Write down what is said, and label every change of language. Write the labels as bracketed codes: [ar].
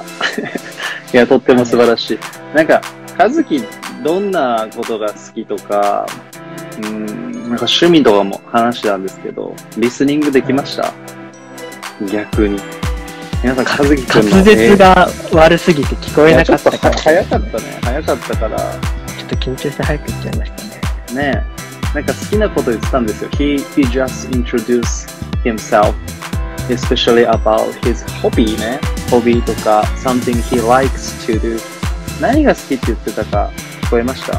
[ja] いや、とっても素晴らしい。なんか、和樹、どんなことが好きとか、なんか趣味とかも話したんですけど、リスニングできました？逆に。皆さん、和樹くんの。滑舌が悪すぎて聞こえなかったから。ちょっと早かったから。ちょっと緊張して早く言っちゃいましたね。ねえ。なんか好きなこと言ってたんですよ。 [en] He just introduced himself, especially about his hobby ね。 hobby とか、something he likes to do。 [ja] 何が好きって言ってたか聞こえました？